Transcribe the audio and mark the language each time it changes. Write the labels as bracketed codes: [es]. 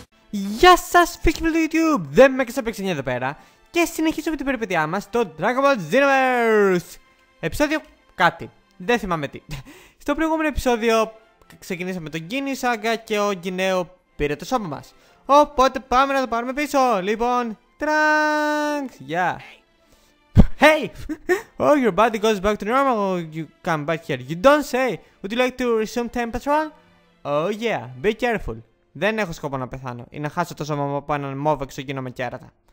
[el] Γεια σας φίλοι μου του YouTube, δεν είμαι και σε παίξενια εδώ πέρα και συνεχίζουμε την περιπέτειά μας στο Dragon Ball Xenoverse. Επεισόδιο κάτι, δεν θυμάμαι τι. Στο προηγούμενο επεισόδιο ξεκινήσαμε τον Γκίνι Σάγκα και ο Γκινέο πήρε το σώμα μας. Οπότε πάμε να το πάρουμε πίσω, λοιπόν, Trunks, yeah. [en] Hey, oh your body goes back to normal, you come back here, you don't say. Would you like to resume time patrol? Oh yeah, be careful. [el] Δεν έχω σκοπό να πεθάνω ή να χάσω το σώμα μου από έναν μόβο εξωγήινο με κέρατα.